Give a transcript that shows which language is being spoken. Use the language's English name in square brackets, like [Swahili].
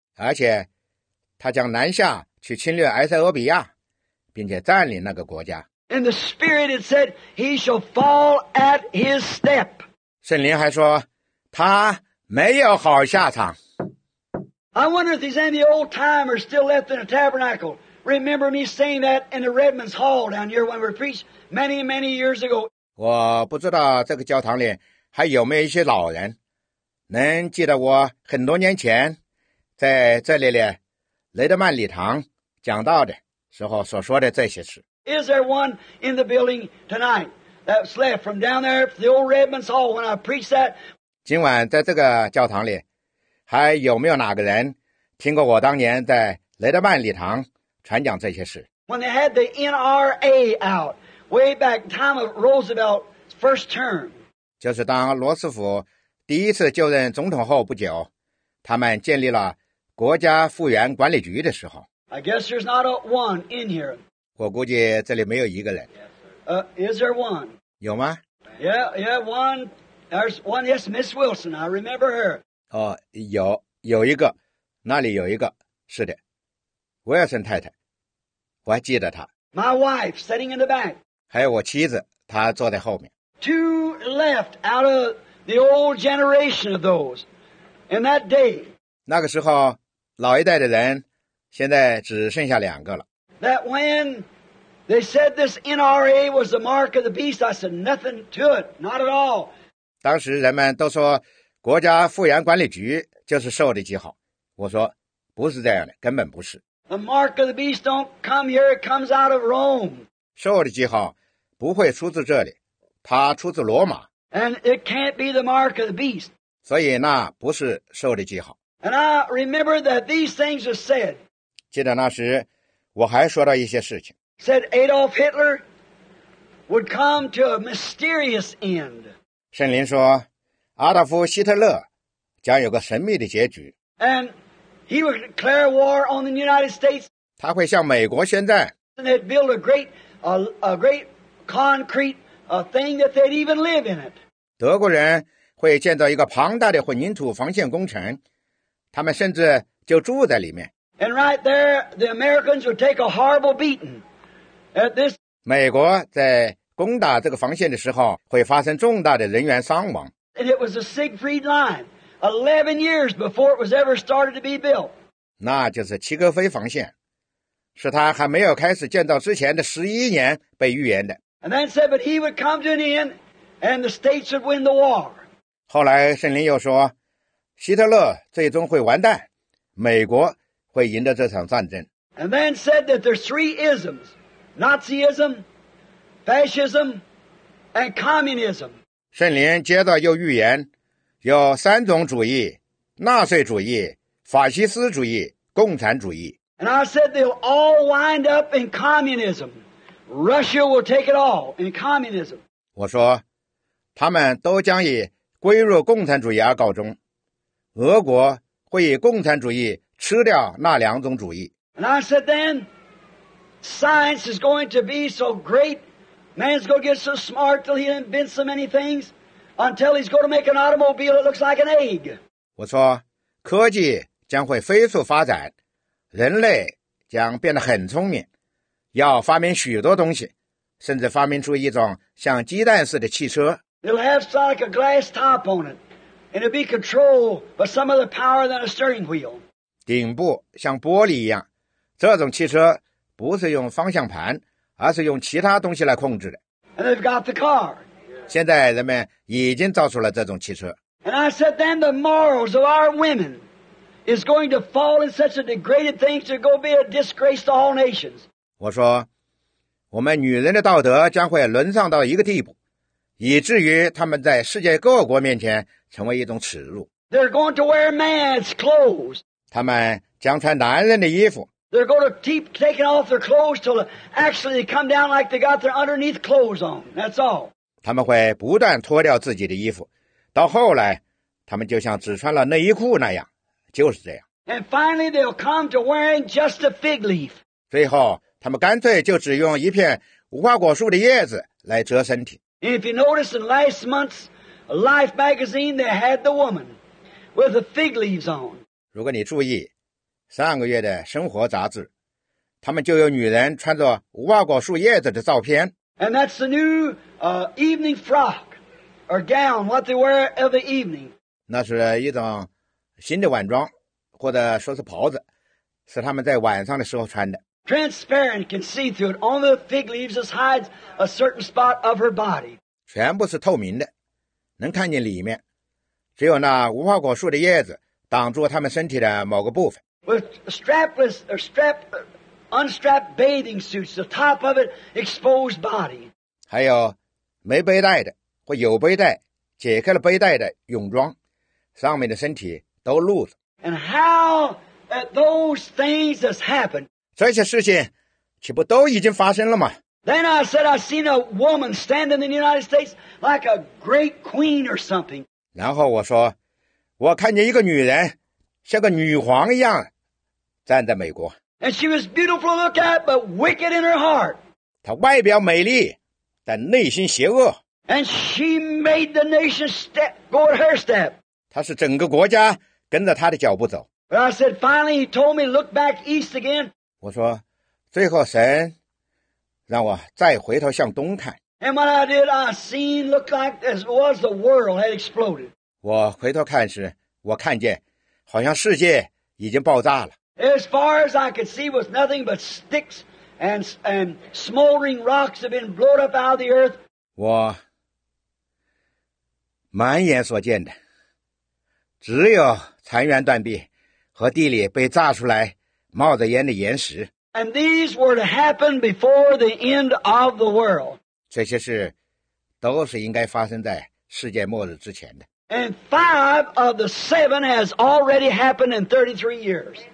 [Chinese] 而且他将南下去侵略埃塞俄比亚，并且占领那个国家。 [English] In the spirit it said, he shall fall at his step. [Chinese] 圣灵还说，他没有好下场。 [English] I wonder if there's any old timers still left in the tabernacle. Remember me saying that in the Redmond's Hall down here when we preached many, many years ago. [Chinese] 我不知道这个教堂里还有没有一些老人，能记得我很多年前在这里呢雷德曼礼堂讲到的时候所说的这些事。 [English] Is there one in the building tonight that's left from down there, the old Redmond's Hall, when I preached that? [Chinese] 今晚在这个教堂里，还有没有哪个人听过我当年在雷德曼礼堂传讲这些事？ [English] When they had the NRA out, way back time of Roosevelt's first term. [Chinese] 就是当罗斯福第一次就任总统后不久，他们建立了国家复原管理局的时候。 [English] I guess there's not a one in here. [Chinese] 我估计这里没有一个人。 [English] Is there one? [Chinese] 有吗？ [English] Yeah, one. There's one, yes, Miss Wilson. I remember her. [Chinese] 哦，有一个，那里有一个，是的。威尔森太太，我还记得她。 [English] My wife, sitting in the back. [Chinese] 还有我妻子，她坐在后面。 [English] Two left out of the old generation of those in that day. [Chinese] 那个时候老一代的人现在只剩下两个了。 [English] That when they said this NRA was the mark of the beast, I said nothing to it, not at all. [Chinese] 当时人们都说国家复原管理局就是受的记号。我说不是这样的，根本不是。 [English] The mark of the beast don't come here, it comes out of Rome. [Chinese] 兽的记号不会出自这里，它出自罗马。 [English] And it can't be the mark of the beast. [Chinese] 所以那不是兽的记号。 [English] And I remember that these things are said. [Chinese] 记得那时我还说到一些事情。 [English] Said Adolf Hitler would come to a mysterious end. [Chinese] 圣灵说阿道夫·希特勒将有个神秘的结局。 [English] And He would declare war on the United States. [Chinese] 他会向美国宣战。 [English] And they'd build a great concrete thing that they'd even live in it. [Chinese] 德国人会建造一个庞大的混凝土防线工程，他们甚至就住在里面。 [English] And right there, the Americans would take a horrible beating at this. [Chinese] 美国在攻打这个防线的时候，会发生重大的人员伤亡。 [English] And it was a Siegfried line. 11 years before it was ever started to be built. [Chinese] 那就是齐格飞防线，是他还没有开始建造之前的11年被预言的。 [English] And then said, but he would come to an end, and the states would win the war. [Chinese] 后来圣灵又说，希特勒最终会完蛋，美国会赢得这场战争。 [English] And then said that there's three isms, Nazism, Fascism, and Communism. [Chinese] 圣灵接着又预言有三种主义，纳粹主义、法西斯主义、共产主义。 [English] And I said they'll all wind up in communism. Russia will take it all in communism. [Chinese] 我说，他们都将以归入共产主义而告终。俄国会以共产主义吃掉那两种主义。 [English] And I said then, science is going to be so great, man's going to get so smart till he invents so many things. Until he's going to make an automobile that looks like an egg. [Chinese] 我说，科技将会飞速发展，人类将变得很聪明，要发明许多东西，甚至发明出一种像鸡蛋似的汽车。 [English] It'll have like a glass top on it, and it'll be controlled by some of the power than a steering wheel. [Chinese] 顶部像玻璃一样，这种汽车不是用方向盘，而是用其他东西来控制的。 [English] And they've got the car. [Chinese] 现在人们已经造出了这种汽车。 [English] And I said, then the morals of our women is going to fall in such a degraded thing to go be a disgrace to all nations. [Chinese] 我说，我们女人的道德将会沦丧到一个地步，以至于他们在世界各国面前成为一种耻辱。 [English] They're going to wear man's clothes. [Chinese] 他们将穿男人的衣服。 [English] They're going to keep taking off their clothes till actually they come down like they got their underneath clothes on. That's all. [Chinese] 他们会不断脱掉自己的衣服，到后来他们就像只穿了内衣裤那样，就是这样。 [English] And finally they'll come to wearing just a fig leaf. [Chinese] 最后他们干脆就只用一片无花果树的叶子来遮身体。 [English] If you notice in last month's Life magazine, they had the woman with the fig leaves on. [Chinese] 如果你注意上个月的生活杂志，他们就有女人穿着无花果树叶子的照片。 [English] And that's the newevening frock or gown, what they wear every evening. [Chinese] 那是一种新的晚装，或者说是袍子，是他们在晚上的时候穿的。 [English] Transparent, can see through it. Only the fig leaves just hides a certain spot of her body. [Chinese] 全部是透明的，能看见里面，只有那无花果树的叶子挡住他们身体的某个部分。 [English] With strapless or strap, unstrapped bathing suits, the top of it exposed body. [Chinese] 还有没背带的或有背带解开了背带的泳装，上面的身体都露着。 [English] And how those things has happened. [Chinese] 这些事情岂不都已经发生了吗？ [English] Then I said I seen a woman standing in the United States like a great queen or something. [Chinese] 然后我说我看见一个女人像个女皇一样站在美国。 [English] And she was beautiful to look at but wicked in her heart. [Chinese] 她外表美丽但内心邪恶。 [English] And she made the nation step, go at her step. [Chinese] 她是整个国家跟着她的脚步走。 [English] But I said, finally, he told me, look back east again. [Chinese] 我说，最后神让我再回头向东看。 [English] And what I did, I seen, looked like as was the world had exploded. [Chinese] 我回头看时，我看见好像世界已经爆炸了。 [English] As far as I could see was nothing but sticks. And smoldering rocks have been blown up out of the earth. [Chinese] 我满眼所见的，只有残垣断壁和地里被炸出来冒着烟的岩石。 [English] And these were to happen before the end of the world. [Chinese] 这些事都是应该发生在世界末日之前的。 [English] And five of the seven has already happened in 33 years.